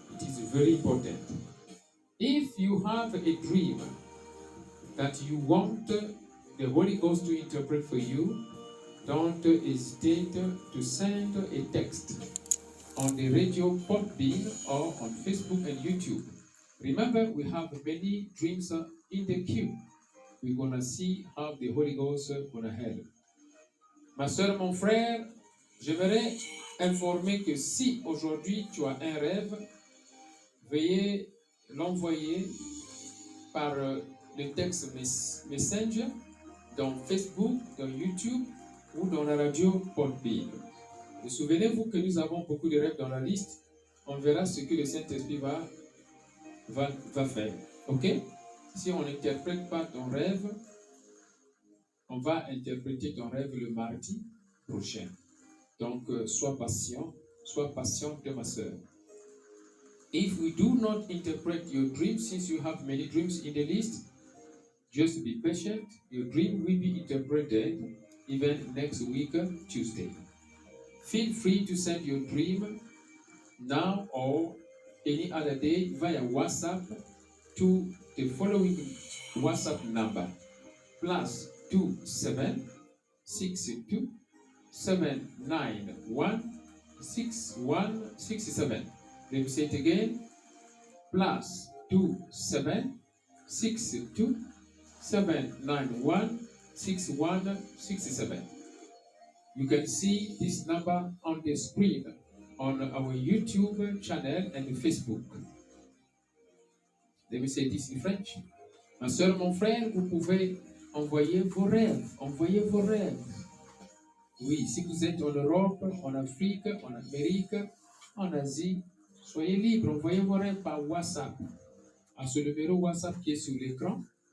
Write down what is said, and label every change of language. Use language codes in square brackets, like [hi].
[en] It is very important. If you have a dream that you want the Holy Ghost to interpret for you, don't hesitate to send a text on the radio podbean or on Facebook and YouTube. Remember, we have many dreams in the queue. We're going to see how the Holy Ghost is going to help. [fr] Ma soeur, mon frère, j'aimerais informer que si aujourd'hui tu as un rêve, veuillez l'envoyer par le texte Messenger, dans Facebook, dans YouTube ou dans la radio Podbean. Et souvenez-vous que nous avons beaucoup de rêves dans la liste. On verra ce que le Saint-Esprit va faire. Ok? Si on n'interprète pas ton rêve, on va interpréter ton rêve le mardi prochain. Donc, sois patiente, ma soeur. [en] If we do not interpret your dream, since you have many dreams in the list, just be patient. Your dream will be interpreted even next week, Tuesday. Feel free to send your dream now or any other day via WhatsApp to the following WhatsApp number, +27 62 791 6167. Let me say it again, +27 62 791 6167. You can see this number on the screen on our YouTube channel and Facebook. Let me say this in French. [fr] Ma soeur, mon frère, vous pouvez envoyer vos rêves. Envoyez vos rêves. Oui, si vous êtes en Europe, en Afrique, en Amérique, en Asie, soyez libre. Envoyez vos rêves par WhatsApp. À ce numéro WhatsApp qui est sur l'écran.